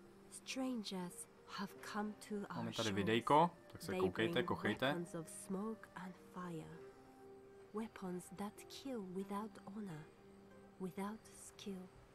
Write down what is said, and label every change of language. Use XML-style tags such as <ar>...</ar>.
<en>Strangers have come to our shores.</en> <cs>Máme tady videjko, tak se koukejte, kochejte.</cs> <en>Weapons of smoke and fire. Weapons that kill without honor, without skill.</en>